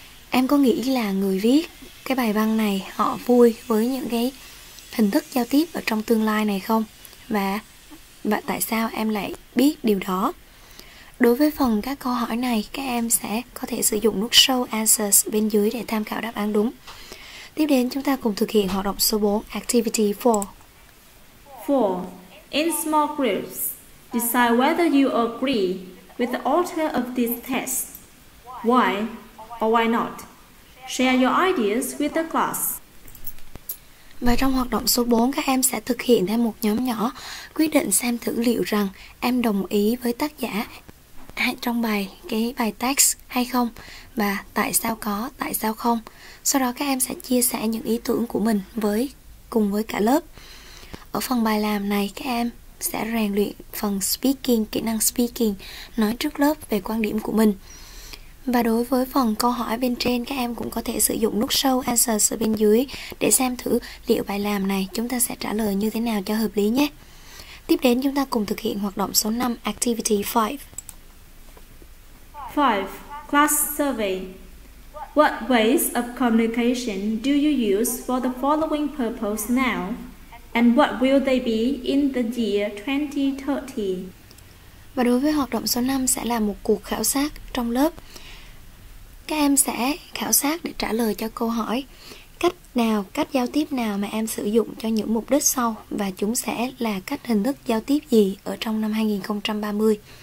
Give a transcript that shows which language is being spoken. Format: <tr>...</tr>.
<vi>Em có nghĩ là người viết cái bài văn này họ vui với những cái hình thức giao tiếp ở trong tương lai này không? Và tại sao em lại biết điều đó? Đối với phần các câu hỏi này, các em sẽ có thể sử dụng nút Show Answers bên dưới để tham khảo đáp án đúng. Tiếp đến, chúng ta cùng thực hiện hoạt động số 4, Activity 4.</vi> <en>4. In small groups, decide whether you agree with the author of this test. Why or why not? Share your ideas with the class.</en> <vi>Và trong hoạt động số 4, các em sẽ thực hiện theo một nhóm nhỏ, quyết định xem thử liệu rằng em đồng ý với tác giả trong bài text hay không, và tại sao có, tại sao không. Sau đó các em sẽ chia sẻ những ý tưởng của mình cùng với cả lớp. Ở phần bài làm này, các em sẽ rèn luyện phần speaking, kỹ năng speaking, nói trước lớp về quan điểm của mình. Và đối với phần câu hỏi bên trên, các em cũng có thể sử dụng nút Show Answers ở bên dưới để xem thử liệu bài làm này chúng ta sẽ trả lời như thế nào cho hợp lý nhé. Tiếp đến, chúng ta cùng thực hiện hoạt động số 5, Activity 5.</vi> <en>5. Class Survey. What ways of communication do you use for the following purpose now? And what will they be in the year 2030?</en> <vi>Và đối với hoạt động số 5 sẽ là một cuộc khảo sát trong lớp. Các em sẽ khảo sát để trả lời cho câu hỏi cách giao tiếp nào mà em sử dụng cho những mục đích sau, và chúng sẽ là cách hình thức giao tiếp gì ở trong năm 2030.</vi>